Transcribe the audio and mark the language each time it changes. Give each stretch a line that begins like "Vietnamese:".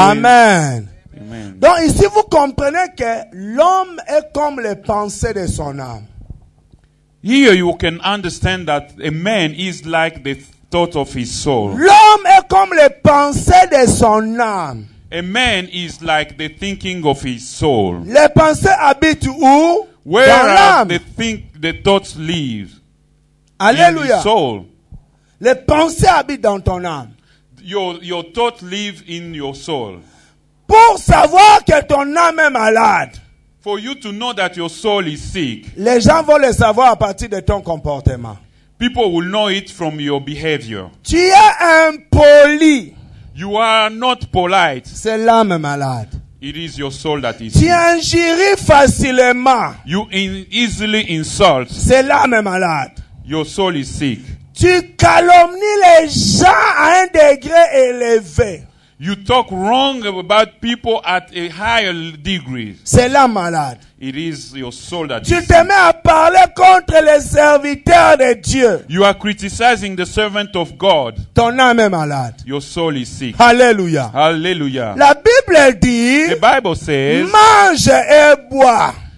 French: Amen. Donc ici vous comprenez que l'homme est comme les pensées de son âme.
English: Here you can understand that a man is like the thought of his soul.
French: L'homme est comme les pensées de son âme.
English: A man is like the thinking of his soul.
French: Les pensées habitent où?
English: Where
French: dans l'âme.
English: The thoughts live. Alléluia. In his soul.
French: Les pensées habitent dans ton âme.
English: Your thoughts live in your soul.
French: Pour savoir que ton âme est malade.
English: For you to know that your soul is sick.
French: Les gens vont le savoir à partir de ton comportement.
English: People will know it from your behavior.
French: Tu es impoli.
English: You are not polite.
French: C'est l'âme malade.
English: It is your soul that is.
French: Tu injuries facilement.
English: You easily insult.
French: C'est l'âme malade.
English: Your soul is sick.
French: Tu calomnies les gens à un degré élevé.
English: You talk wrong about people at a higher degree.
French: C'est l'âme malade.
English: It is your soul that
French: tu te mets à parler contre les serviteurs de Dieu.
English: You are criticizing the servant of God.
French: Ton âme est malade.
English: Your soul is sick. Alléluia. Alléluia.
French: La Bible dit.
English: The Bible says.
French: Mange et bois.